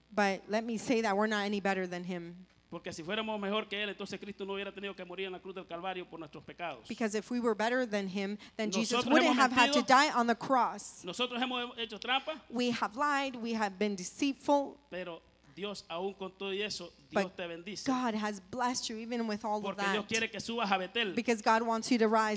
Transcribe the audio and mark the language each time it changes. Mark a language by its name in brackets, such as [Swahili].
[English] But let me say that we're not any better than him. [Spanish] Porque si fuéramos mejor que él, entonces Cristo no hubiera tenido que morir en la cruz del Calvario por nuestros pecados. [English] Because if we were better than him, then [Spanish] nosotros [English] Jesus wouldn't have [Spanish] mentido, [English] had to die on the cross. [Spanish] Nosotros hemos hecho trampa. [English] We have lied, we have been deceitful. [Spanish] Pero Dios, aún con todo eso, [English] but [Spanish] Dios te bendice. [English] God has blessed you even with all [Spanish] porque [English] of that. [Spanish] Dios quiere que subas a Betel. [English] Because God wants you to rise